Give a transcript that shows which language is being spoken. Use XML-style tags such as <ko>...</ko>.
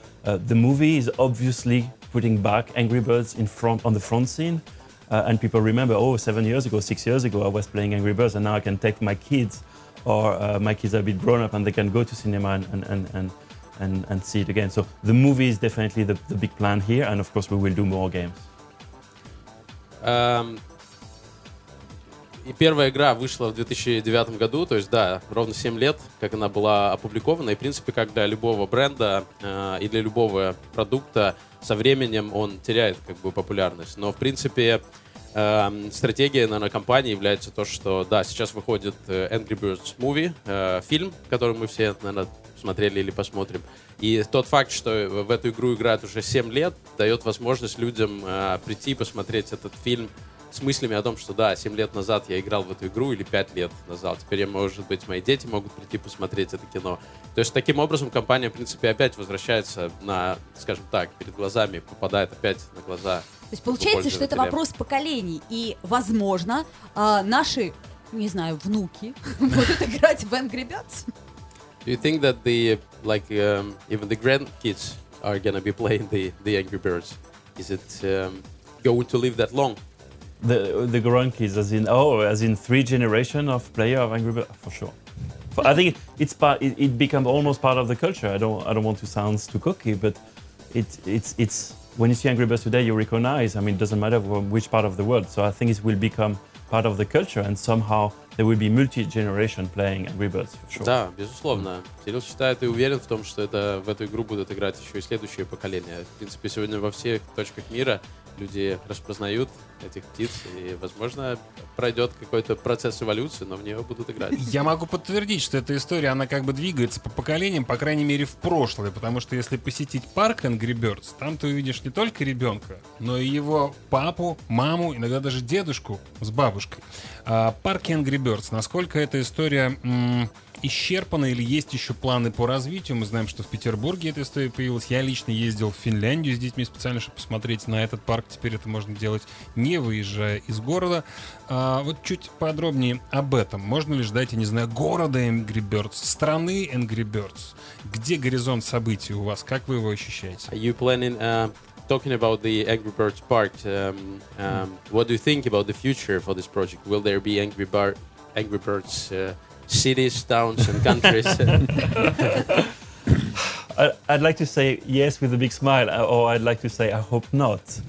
<en>The movie is obviously putting back Angry Birds on the front scene, and people remember, oh, 7 years ago, 6 years ago, I was playing Angry Birds, and now I can take my kids. Or my kids are a bit grown up and they can go to cinema and see it again. So the movie is definitely the big plan here, and of course we will do more games.</en> <ru>И первая игра вышла в 2009 году, то есть да, ровно 7 лет, как она была опубликована. И в принципе, как для любого бренда и для любого продукта, со временем он теряет как бы популярность. Но в принципе стратегия, наверное, компании является то, что, да, сейчас выходит Angry Birds Movie, фильм, который мы все, наверное, смотрели или посмотрим. И тот факт, что в эту игру играют уже 7 лет, дает возможность людям прийти и посмотреть этот фильм с мыслями о том, что, да, 7 лет назад я играл в эту игру или 5 лет назад. Теперь, может быть, мои дети могут прийти посмотреть это кино. То есть таким образом компания, в принципе, опять возвращается на, скажем так, перед глазами, попадает опять на глаза. То есть получается, что это вопрос поколений, и, возможно, наши, не знаю, внуки будут играть в Angry Birds.</ru> <en>Do you think that the, like, even the grandkids are gonna be playing the Angry Birds? Is it going to live that long? The Goronki is as in three generation of player of Angry Birds, for sure. I think it's part. It becomes almost part of the culture. I don't want to sound too cocky, but it's when you see Angry Birds today, you recognize. I mean, it doesn't matter which part of the world. So I think it will become part of the culture, and somehow there will be multi-generation playing Angry Birds. For sure.</en> <ru>Да, безусловно. Кирилл считает и уверен в том, что это в эту игру будут играть еще и следующее поколение. В принципе, сегодня во всех точках мира люди распознают этих птиц, и, возможно, пройдет какой-то процесс эволюции, но в нее будут играть. Я могу подтвердить, что эта история, она как бы двигается по поколениям, по крайней мере, в прошлое, потому что если посетить парк Angry Birds, там ты увидишь не только ребенка, но и его папу, маму, иногда даже дедушку с бабушкой. А парк Angry Birds, насколько эта история исчерпана или есть еще планы по развитию? Мы знаем, что в Петербурге эта история появилась. Я лично ездил в Финляндию с детьми специально, чтобы посмотреть на этот парк. Теперь это можно делать, не выезжая из города. А вот чуть подробнее об этом. Можно ли ждать, я не знаю, города Angry Birds, страны Angry Birds? Где горизонт событий у вас? Как вы его ощущаете?</ru> <en>Are you planning, talking about the Angry Birds Park, what do you think about the future for this project? Will there be Angry Birds cities, towns, and countries? I'd like to say yes with a big smile, or I'd like to say I hope not.</en>